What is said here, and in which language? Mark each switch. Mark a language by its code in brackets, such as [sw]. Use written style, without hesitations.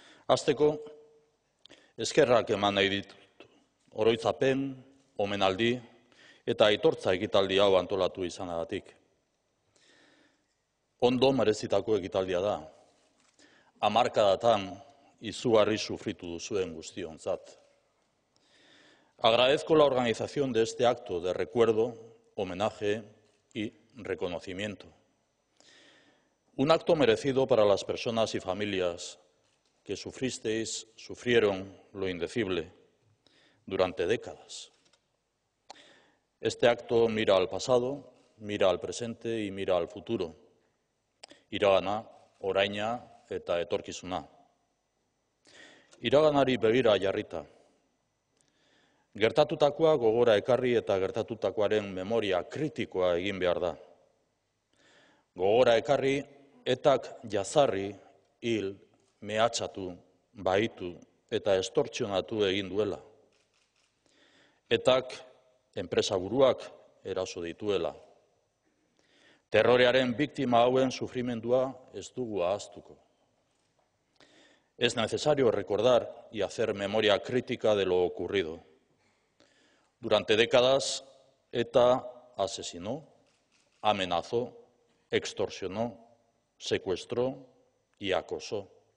[eu] Hasteko, eskerrak eman nahi ditut oroitzapen, omenaldi eta aitortza ekitaldi hau antolatu izanagatik. Ondo merezitako ekitaldia da, hamarkadatan izugarri sufritu duzuen guztionzat. [es] Agradezco la organización de este acto de recuerdo, homenaje y reconocimiento. Un acto merecido para las personas y familias que sufristeis, sufrieron lo indecible durante décadas. Este acto mira al pasado, mira al presente y mira al futuro. [eu] Iragana, oraina eta etorkizuna. Iraganari begira jarrita. Gertatutakoa gogora ekarri eta gertatutakoaren memoria kritikoa egin behar da. Gogora ekarri, etak jazarri, hil, mehatxatu, baitu eta estortzionatu egin duela. Etak enpresa buruak eraso dituela. Terrorearen biktima hauen sufrimendua ez dugu ahaztuko. [es] Es necesario recordar y hacer memoria crítica de lo ocurrido. Durante décadas, ETA asesinó, amenazó, extorsionó, secuestró y acosó.